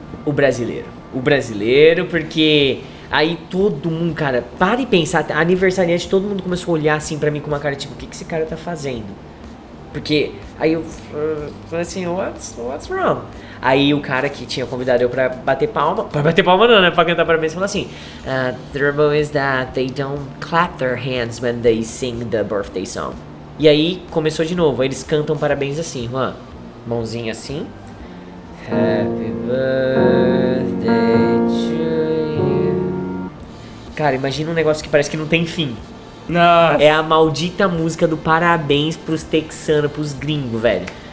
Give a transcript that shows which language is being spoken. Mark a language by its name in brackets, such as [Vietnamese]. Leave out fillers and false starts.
[Portuguese] O brasileiro. O brasileiro, porque... Aí todo mundo, cara, para e pensa. Aniversariante, todo mundo começou a olhar assim pra mim com uma cara tipo, o que esse cara tá fazendo? Porque aí eu falei assim, [English] what's wrong? [Portuguese] Aí o cara que tinha convidado eu pra bater palma não, né? Pra cantar parabéns, falou assim, [English] the trouble is that they don't clap their hands when they sing the birthday song. [Portuguese] E aí começou de novo, eles cantam parabéns assim, Juan. Mãozinha assim. [English] Happy birthday to you. [Portuguese] Cara, imagina um negócio que parece que não tem fim. Nossa. É a maldita música do parabéns pros texanos, pros gringos, velho.